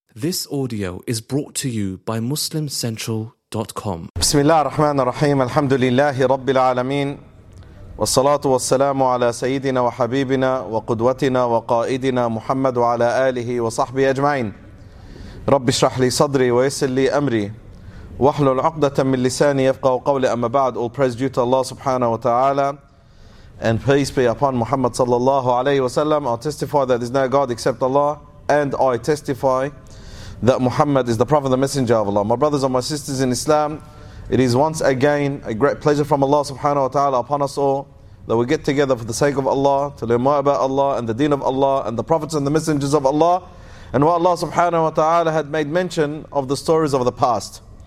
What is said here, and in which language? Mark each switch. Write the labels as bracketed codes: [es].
[en] This audio is brought to you by MuslimCentral.com. [ar] بسم الله الرحمن الرحيم الحمد لله رب العالمين والصلاة والسلام على سيدنا وحبيبنا وقدوتنا وقائدنا محمد وعلى آله وصحبه أجمعين رب اشرح لي صدري ويسر لي أمري واحلل عقدة من لساني يفقه قولي أما بعد [en] All praise due to Allah subhanahu wa ta'ala and peace be upon Muhammad sallallahu alayhi wa sallam. I testify that there is no God except Allah and I testify that Muhammad is the Prophet, the Messenger of Allah. My brothers and my sisters in Islam, it is once again a great pleasure from Allah subhanahu wa ta'ala upon us all that we get together for the sake of Allah, to learn more about Allah and the deen of Allah and the prophets and the messengers of Allah and what Allah subhanahu wa ta'ala had made mention of the stories of the past.